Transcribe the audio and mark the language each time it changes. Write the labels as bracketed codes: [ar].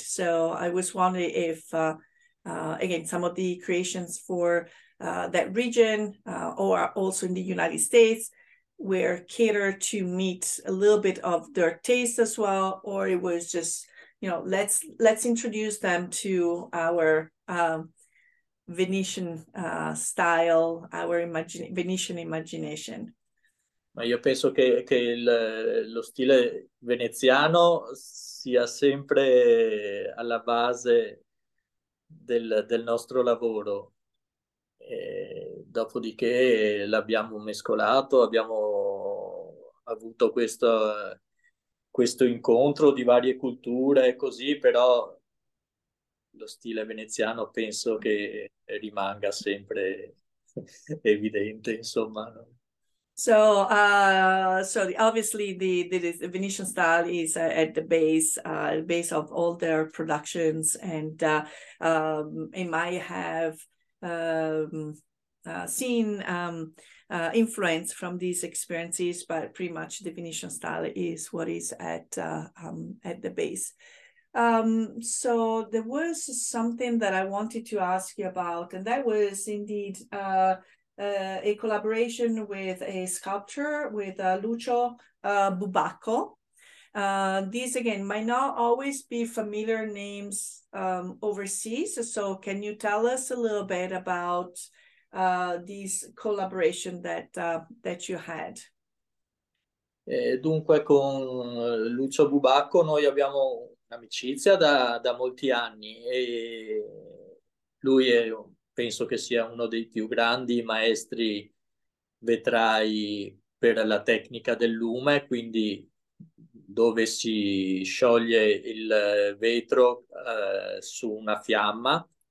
[en] So I was wondering if, again, some of the creations for that region, or also in the United States, were catered to meet a little bit of their taste as well, or it was just, let's introduce them to our Venetian style, our Venetian imagination. [it] Ma io penso che lo stile veneziano sia sempre alla base del nostro lavoro. E dopodiché l'abbiamo mescolato, abbiamo avuto questo incontro di varie culture e così, però lo stile veneziano penso che rimanga sempre evidente, insomma, no? [en] So obviously the Venetian style is at the base of all their productions, and it might have seen influence from these experiences, but pretty much the Venetian style is what is at the base. So there was something that I wanted to ask you about, and that was indeed a collaboration with a sculptor, with Lucio Bubacco. These again might not always be familiar names overseas. So can you tell us a little bit about this collaboration that you had? [it] Dunque, con Lucio Bubacco noi abbiamo un'amicizia da molti anni e lui è, penso che sia uno dei più grandi maestri vetrai per la tecnica del lume, quindi dove si scioglie il vetro su una fiamma.